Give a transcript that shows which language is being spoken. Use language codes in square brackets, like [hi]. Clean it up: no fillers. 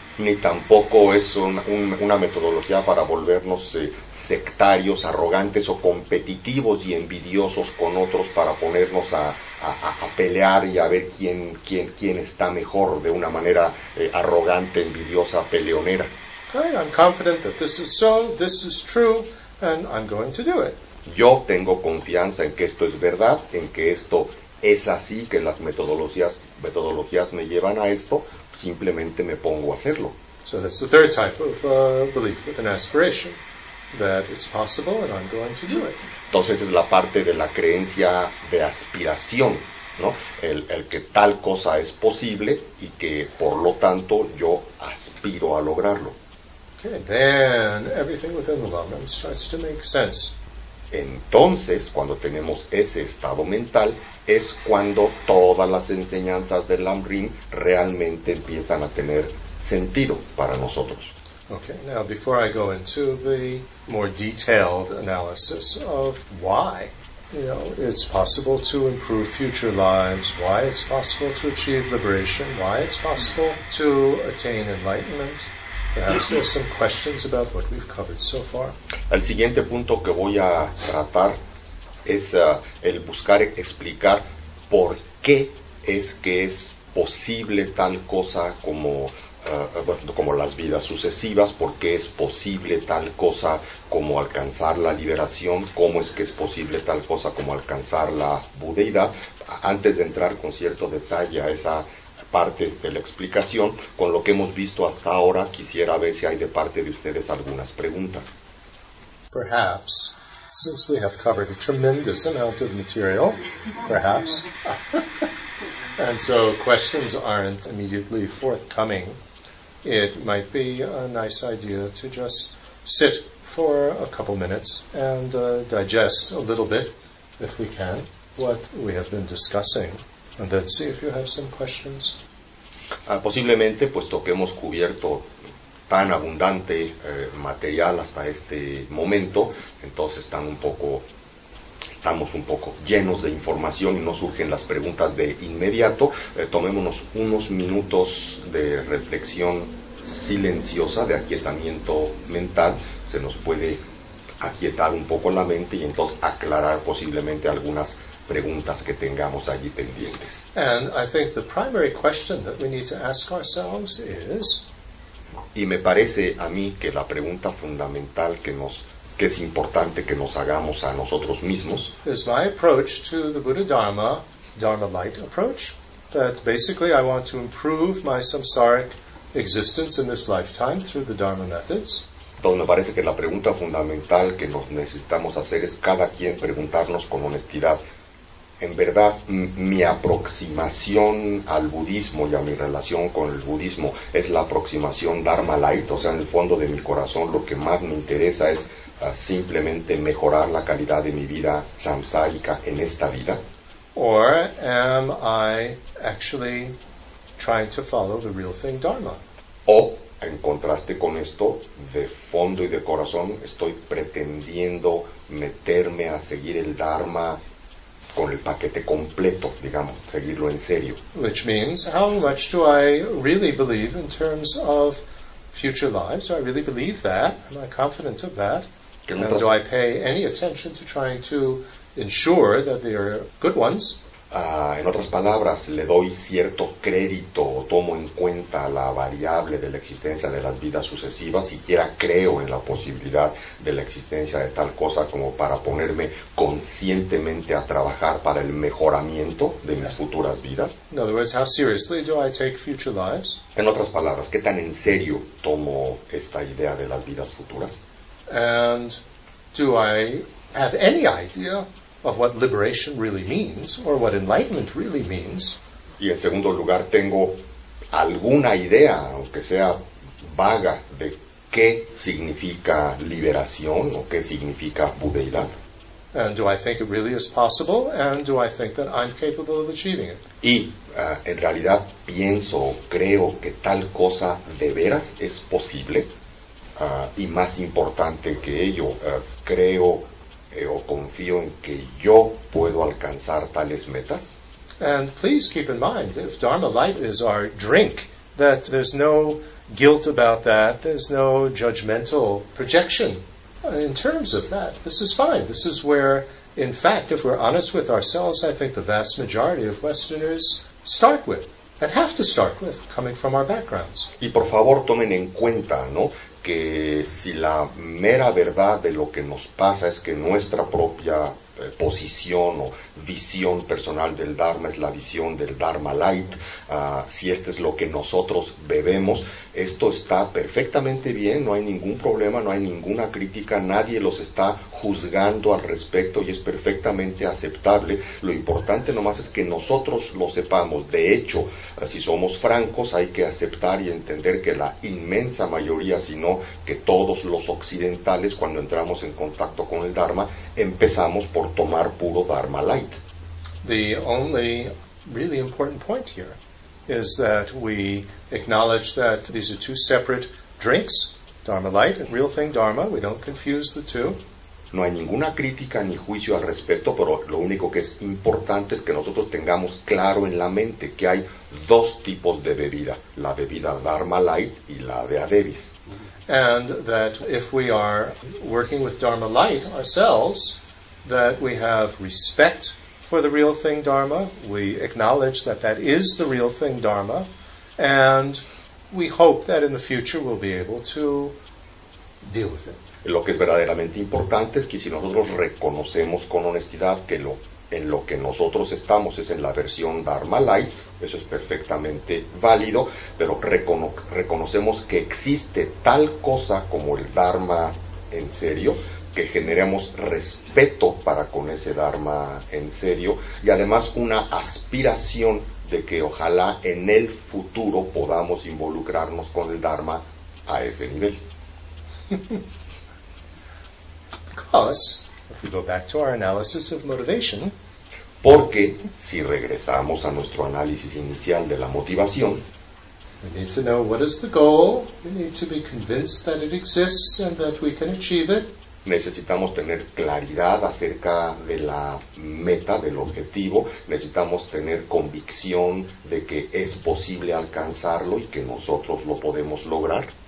[es] Ni tampoco es una metodología para volvernos sectarios, arrogantes o competitivos y envidiosos con otros para ponernos a pelear y a ver quién está mejor de una manera arrogante, envidiosa, peleonera. [en] Okay, I'm confident that this is so, this is true, and I'm going to do it. [es] Yo tengo confianza en que esto es verdad, en que esto es así, que las metodologías me llevan a esto, simplemente me pongo a hacerlo. [en] So that's the third type of belief with an aspiration, that it's possible and I'm going to do it. [es] Entonces es la parte de la creencia de aspiración, ¿no? El que tal cosa es posible y que por lo tanto yo aspiro a lograrlo. [en] Okay, then everything within the lam-rim starts to make sense. [es] Entonces, cuando tenemos ese estado mental, es cuando todas las enseñanzas del lam-rim realmente empiezan a tener sentido para nosotros. [en] Okay, now before I go into the more detailed analysis of why, you know, it's possible to improve future lives, why it's possible to achieve liberation, why it's possible to attain enlightenment. Perhaps there are some questions about what we've covered so far. [es] El siguiente punto que voy a tratar es el buscar explicar por qué es que es posible tal cosa como las vidas sucesivas, por qué es posible tal cosa como alcanzar la liberación, cómo es que es posible tal cosa como alcanzar la budeidad. Antes de entrar con cierto detalle a esa parte de la explicación, con lo que hemos visto hasta ahora, quisiera ver si hay de parte de ustedes algunas preguntas. [en] Perhaps, since we have covered a tremendous amount of material, perhaps, and so questions aren't immediately forthcoming, it might be a nice idea to just sit for a couple minutes and digest a little bit, if we can, what we have been discussing. And then see if you have some questions. [es] Posiblemente, puesto que hemos cubierto tan abundante material hasta este momento, entonces estamos un poco llenos de información y no surgen las preguntas de inmediato. Tomémonos unos minutos de reflexión silenciosa, de aquietamiento mental. Se nos puede aquietar un poco la mente y entonces aclarar posiblemente algunas preguntas que tengamos allí pendientes. [en] And I think the primary question that we need to ask ourselves is, [es] y me parece a mí que la pregunta fundamental que es importante que nos hagamos a nosotros mismos, [en] is my approach to the Buddha Dharma, Dharma Light approach, that basically I want to improve my samsaric existence in this lifetime through the Dharma methods. [es] Entonces me parece que la pregunta fundamental que nos necesitamos hacer es cada quien preguntarnos con honestidad, en verdad, mi aproximación al budismo y a mi relación con el budismo es la aproximación Dharma Light. O sea, en el fondo de mi corazón lo que más me interesa es simplemente mejorar la calidad de mi vida samsárica en esta vida. [en] Or am I actually trying to follow the real thing, Dharma? [es] O, en contraste con esto, de fondo y de corazón, estoy pretendiendo meterme a seguir el Dharma con el paquete completo, digamos, seguirlo en serio. [en] Which means, how much do I really believe in terms of future lives? Do I really believe that? Am I confident of that? And do I pay any attention to trying to ensure that they are good ones? [es] En otras palabras, ¿le doy cierto crédito o tomo en cuenta la variable de la existencia de las vidas sucesivas? ¿Siquiera creo en la posibilidad de la existencia de tal cosa como para ponerme conscientemente a trabajar para el mejoramiento de mis futuras vidas? [en] In other words, how seriously do I take future lives? [es] En otras palabras, ¿qué tan en serio tomo esta idea de las vidas futuras? [en] And do I have any idea of what liberation really means, or what enlightenment really means? [es] Y en segundo lugar, tengo alguna idea, aunque sea vaga, de qué significa liberación o qué significa budeidad. [en] And do I think it really is possible? And do I think that I'm capable of achieving it? [es] Y en realidad pienso, creo que tal cosa de veras es posible. Y más importante que ello, creo o confío en que yo puedo alcanzar tales metas. [en] And please keep in mind, if Dharma light is our drink, that there's no guilt about that, there's no judgmental projection in terms of that. This is fine. This is where, in fact, if we're honest with ourselves, I think the vast majority of Westerners start with, and have to start with, coming from our backgrounds. [es] Y por favor tomen en cuenta, ¿no?, que si la mera verdad de lo que nos pasa es que nuestra propia posición o visión personal del Dharma es la visión del Dharma Light, si este es lo que nosotros bebemos, esto está perfectamente bien, no hay ningún problema, no hay ninguna crítica, nadie los está juzgando al respecto y es perfectamente aceptable. Lo importante nomás es que nosotros lo sepamos. De hecho, si somos francos, hay que aceptar y entender que la inmensa mayoría, si no que todos los occidentales, cuando entramos en contacto con el Dharma, empezamos por tomar puro Dharma Light. [en] The only really important point here is that we acknowledge that these are two separate drinks, Dharma Light and real thing Dharma. We don't confuse the two. [es] No hay ninguna crítica ni juicio al respecto, pero lo único que es importante es que nosotros tengamos claro en la mente que hay dos tipos de bebida, la bebida Dharma Light y la de Adebis. [en] And that if we are working with Dharma Light ourselves, that we have respect for the real thing Dharma, we acknowledge that that is the real thing Dharma, and we hope that in the future we'll be able to deal with it. [es] Lo que es verdaderamente importante es que si nosotros reconocemos con honestidad que lo en lo que nosotros estamos es en la versión Dharma Light, eso es perfectamente válido, pero reconocemos que existe tal cosa como el Dharma en serio, que generemos respeto para con ese Dharma en serio, y además una aspiración de que ojalá en el futuro podamos involucrarnos con el Dharma a ese nivel. [en] Because, if we go back to our analysis of motivation, [es] porque si regresamos a nuestro análisis inicial de la motivación, [en] we need to know what is the goal, we need to be convinced that it exists and that we can achieve it. [es] Necesitamos tener claridad acerca de la meta, del objetivo, necesitamos tener convicción de que es posible alcanzarlo y que nosotros lo podemos lograr.